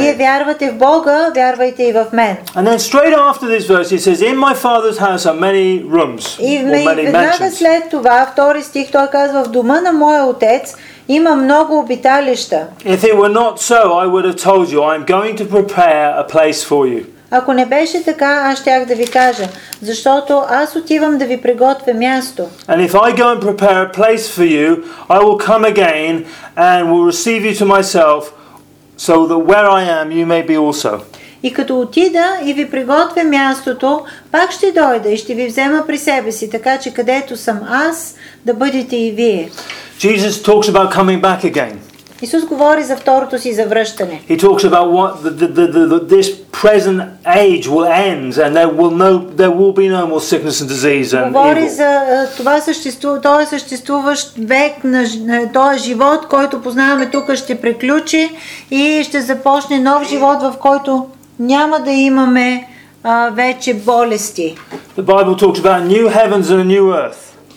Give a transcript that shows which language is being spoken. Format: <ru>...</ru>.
<bg>Вие вярвате в Бога, вярвайте и в мен.</bg> <en>And then straight after this verse, he says, "In my Father's house are many rooms."</en> <bg>И веднага след това, втори стих, той казва: "В дома на моя отец има много обиталища."</bg> <en>If it were not so, I would have told you, I'm going to prepare a place for you.</en> <bg>Ако не беше така, аз щях да ви кажа, защото аз отивам да ви приготвя място.</bg> <en>And if I go and prepare a place for you, I will come again and will receive you to myself, so that where I am, you may be also.</en> <bg>И като отида и ви приготвя мястото, пак ще дойда и ще ви взема при себе си, така че където съм аз, да бъдете и вие.</bg> <en>Jesus talks about coming back again.</en> <bg>Исус говори за второто си завръщане.</bg> <en>He talks about what this present age will end and there will be no more sickness and disease and evil.</en> <bg>Говори за това съществуващ век на този живот, който познаваме тук, ще приключи и ще започне нов живот, в който няма да имаме вече болести.</bg> <en>The Bible talks about new heavens and a new earth.</en>